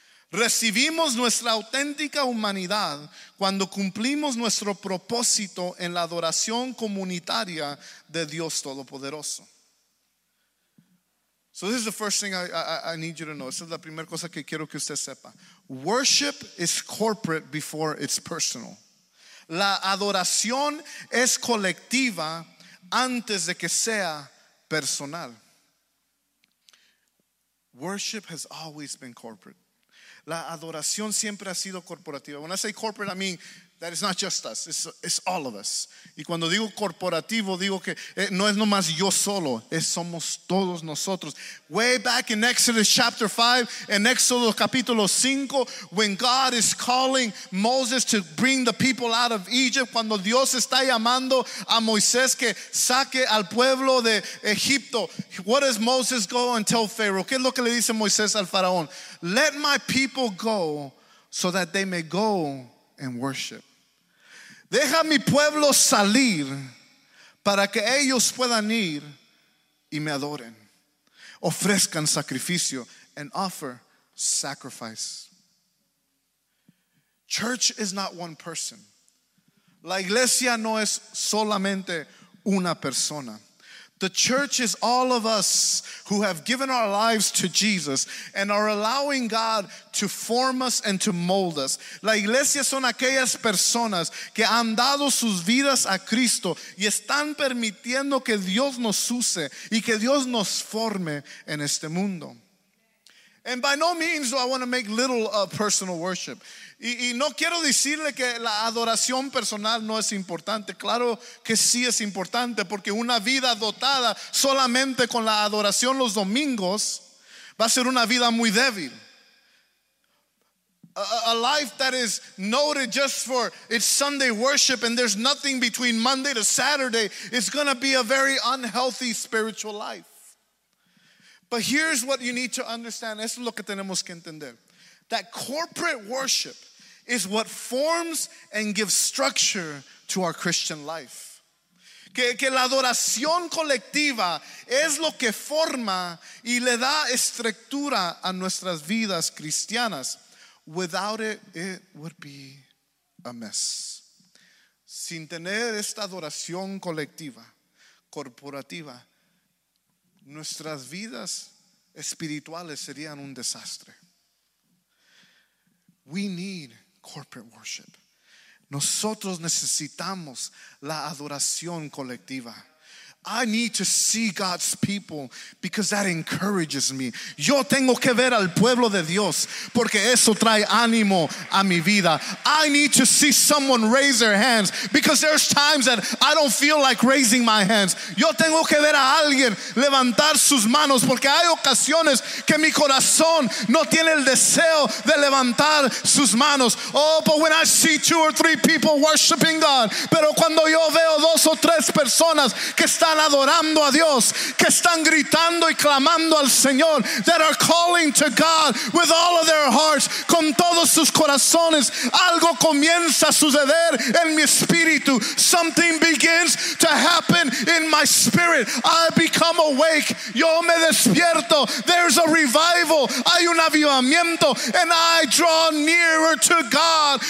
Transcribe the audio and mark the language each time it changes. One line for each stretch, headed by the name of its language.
Spanish: Recibimos nuestra auténtica humanidad cuando cumplimos nuestro propósito en la adoración comunitaria de Dios Todopoderoso.
English: So this is the first thing I need you to know.
Spanish: Esta es la primera cosa que quiero que usted sepa.
English: Worship is corporate before it's personal.
Spanish: La adoración es colectiva antes de que sea personal.
English: Worship has always been corporate.
Spanish: La adoración siempre ha sido corporativa.
English: When I say corporate, I mean that it's not just us. It's all of us.
Spanish: Y cuando digo corporativo, digo que no es nomás yo solo. Es somos todos nosotros.
English: Way back in Exodus chapter 5, in
Spanish: Exodo capítulo 5,
English: when God is calling Moses to bring the people out of Egypt,
Spanish: cuando Dios está llamando a Moisés que saque al pueblo de Egipto,
English: what does Moses go and tell Pharaoh?
Spanish: ¿Qué es lo que le dice Moisés al faraón?
English: Let my people go so that they may go and worship.
Spanish: Deja mi pueblo salir para que ellos puedan ir y me adoren. Ofrezcan sacrificio
English: and offer sacrifice. Church is not one person.
Spanish: La iglesia no es solamente una persona.
English: The church is all of us who have given our lives to Jesus and are allowing God to form us and to mold us.
Spanish: La iglesia son aquellas personas que han dado sus vidas a Cristo y están permitiendo que Dios nos use y que Dios nos forme en este mundo.
English: And by no means do I want to make little of personal worship.
Spanish: Y no quiero decirle que la adoración personal no es importante. Claro que sí es importante, porque una vida dotada solamente con la adoración los domingos va a ser una vida muy débil.
English: A life that is noted just for its Sunday worship and there's nothing between Monday to Saturday is going to be a very unhealthy spiritual life. But here's what you need to understand.
Spanish: Eso es lo que tenemos que entender.
English: That corporate worship is what forms and gives structure to our Christian life.
Spanish: Que la adoración colectiva es lo que forma y le da estructura a nuestras vidas cristianas.
English: Without it, it would be a mess.
Spanish: Sin tener esta adoración colectiva, corporativa, nuestras vidas espirituales serían un desastre.
English: We need corporate worship.
Spanish: Nosotros necesitamos la adoración colectiva.
English: I need to see God's people because that encourages me.
Spanish: Yo tengo que ver al pueblo de Dios porque eso trae ánimo a mi vida.
English: I need to see someone raise their hands because there's times that I don't feel like raising my hands.
Spanish: Yo tengo que ver a alguien levantar sus manos porque hay ocasiones que mi corazón no tiene el deseo de levantar sus manos.
English: Oh, but when I see two or three people worshiping God,
Spanish: pero cuando yo veo dos o tres personas que están adorando a Dios, que están gritando y clamando al Señor,
English: that are calling to God with all of their hearts,
Spanish: con todos sus corazones, algo comienza a suceder en mi espíritu.
English: Something begins to happen in my spirit. I become awake.
Spanish: Yo me despierto.
English: There's a revival.
Spanish: Hay un avivamiento.
English: And I draw nearer to God.